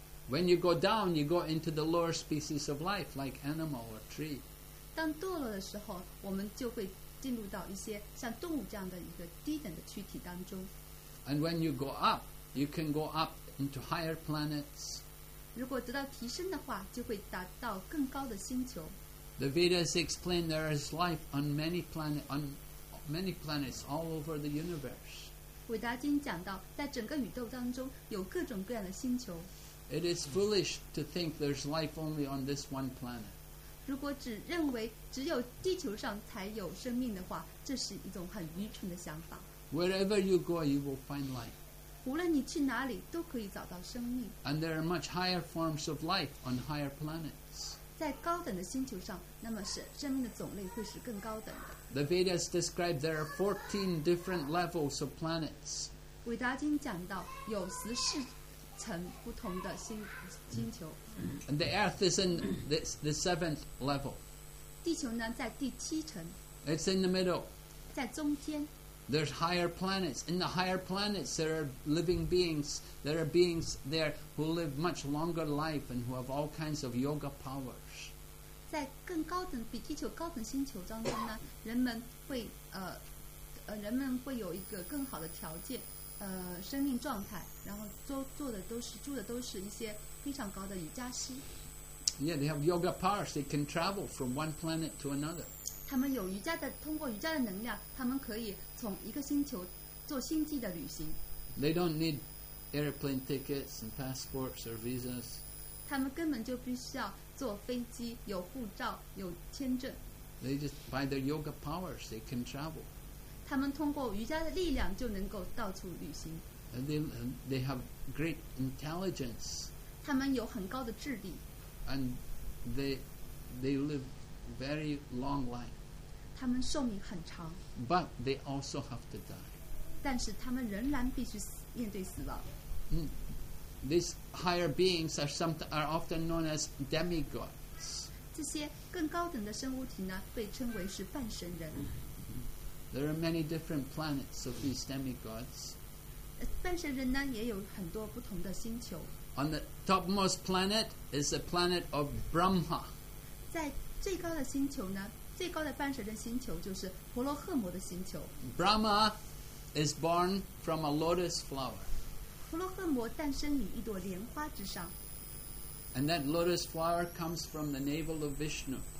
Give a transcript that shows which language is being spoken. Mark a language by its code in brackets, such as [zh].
[en] When you go down, you go into the lower species of life, like animal or tree. [zh] 当堕落的时候，我们就会进入到一些像动物这样的一个低等的躯体当中。 [en] And when you go up, you can go up into higher planets. [zh] 如果得到提升的话，就会达到更高的星球。 [en] The Vedas explain there is life on many planets all over the universe. [zh] 韦达经讲到，在整个宇宙当中有各种各样的星球。 [en] It is foolish to think there's life only on this one planet. [zh] 如果只认为只有地球上才有生命的话，这是一种很愚蠢的想法。 [en] Wherever you go, you will find life. [zh] 无论你去哪里，都可以找到生命。 [en] And there are much higher forms of life on higher planets. [zh] 在高等的星球上，那么是生命的种类会是更高等的。 [en] The Vedas describe there are 14 different levels of planets. [zh] 韦达经讲到有14层不同的星球。 [en] And the Earth is in the seventh level. [zh] 地球呢，在第七层。 [en] It's in the middle. [zh] 在中间。 [en] There's higher planets. In the higher planets, there are living beings. There are beings there who live much longer life and who have all kinds of yoga powers. [zh] 在更高等比地球高等星球当中呢，人们会有一个更好的条件，生命状态，然后住的都是一些非常高的瑜伽师。 [en] Yeah, they have yoga powers. They can travel from one planet to another. [zh] 他们有瑜伽的，通过瑜伽的能量，他们可以从一个星球做星际的旅行。 [en] They don't need airplane tickets and passports or visas. [zh] 他们根本就不需要坐飞机，有护照，有签证。 [en] They just by their yoga powers they can travel. [zh] 他们通过瑜伽的力量就能够到处旅行。 [en] And they have great intelligence. [zh] 他们有很高的智力。 [en] And they live. Very long life. [zh] 他们寿命很长。 [en] But they also have to die. [zh] 但是他们仍然必须面对死亡。 [en] These higher beings are often known as demigods. [zh] 这些更高等的生物体呢，被称为是半神人。 [en] There are many different planets of these demigods. [zh] 半神人呢，也有很多不同的星球。 [en] On the topmost planet is the planet of Brahma. [zh] 在最高的星球呢？最高的半神的星球就是婆罗赫摩的星球。 [en] Brahma is born from a lotus flower. [zh] 婆罗奋摩诞生于一朵莲花之上。 [en] And that lotus flower comes from the navel of Vishnu.